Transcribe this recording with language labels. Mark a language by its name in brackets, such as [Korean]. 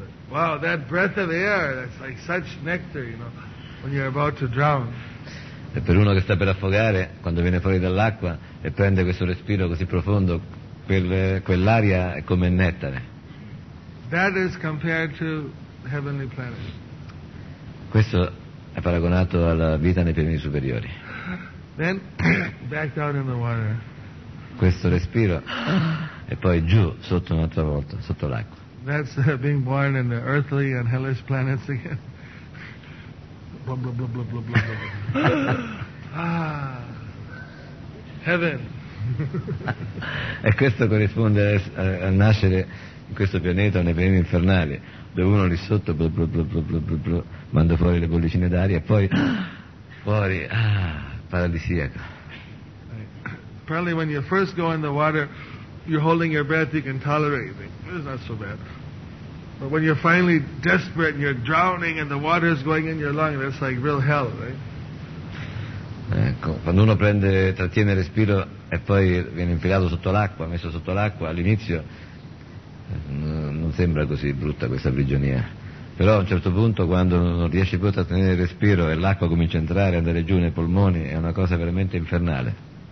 [English] Wow, that breath of air, that's like such nectar, you know, when you're about to drown. [Italian] E per uno che sta per affogare, quando viene fuori dall'acqua e prende questo respiro così profondo, quell'aria è come nettare. [English] That is compared to heavenly planets. [Italian] Questo è paragonato alla vita nei pianeti superiori. [English] Then back down in the water. [Italian] Questo respiro e poi giù sotto un'altra volta sotto l'acqua. [English] That's being born in the earthly and hellish planets again. Blah blah blah blah blah blah blah. Ah, heaven. [Italian] E questo corrisponde a nascere in questo pianeta nei pianeti infernali, dove uno lì sotto blu, blu, blu, blu, blu, blu, blu, manda fuori le bollicine d'aria e poi fuori paradisiaco. [English] Apparently when you first go in the water you're holding your breath, you can tolerate it, it's not so bad, but when you're finally desperate and you're drowning and the water is going in your lung, that's like real hell, right? [Italian] Ecco, quando uno prende, trattiene il respiro e poi viene infilato sotto l'acqua, messo sotto l'acqua, all'inizio non sembra così brutta questa prigionia. Però a un certo punto, quando non riesci più a trattenere il respiro e l'acqua comincia a entrare, andare giù nei polmoni, è una cosa veramente infernale.